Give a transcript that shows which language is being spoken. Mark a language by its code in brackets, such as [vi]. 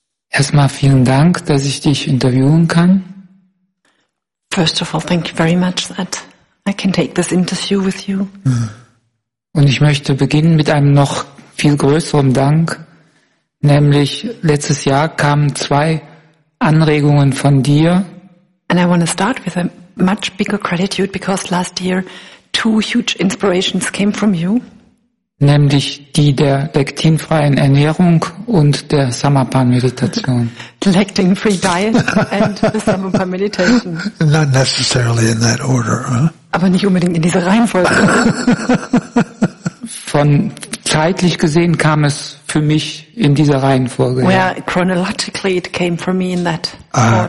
[de] Erstmal vielen Dank, dass ich dich interviewen kann. [en] First of all, thank you very much that I can take this interview with you. [de] Und ich möchte beginnen mit einem noch viel größeren Dank, nämlich letztes Jahr kamen zwei Anregungen von dir. [en] And I want to start with a much bigger gratitude because last year two huge inspirations came from you. [de] Nämlich die der lektinfreien Ernährung und der Samapan-Meditation. [en] Lectin-free diet and the Samapan-Meditation. Not necessarily in that order, huh? [de] Aber nicht unbedingt in dieser Reihenfolge. Von zeitlich gesehen kam es für mich in dieser Reihenfolge. Well, ja. [en] Chronologically it came for me in that order.